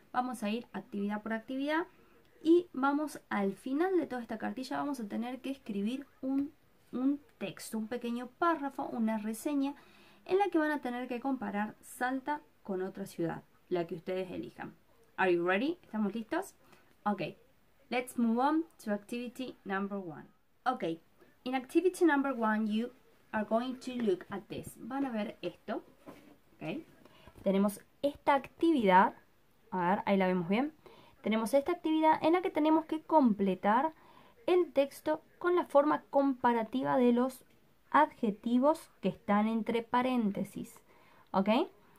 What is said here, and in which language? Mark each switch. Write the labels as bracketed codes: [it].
[es] Vamos a ir actividad por actividad y vamos al final de toda esta cartilla vamos a tener que escribir un texto, un pequeño párrafo, una reseña en la que van a tener que comparar Salta con otra ciudad, la que ustedes elijan. [en] Are you ready? [es] ¿Estamos listos? [en] Ok. Let's move on to activity number one. Okay, in activity number one, you are going to look at this. [es] Van a ver esto. Okay. Tenemos esta actividad. A ver, ahí la vemos bien. Tenemos esta actividad en la que tenemos que completar el texto con la forma comparativa de los adjetivos que están entre paréntesis. Okay.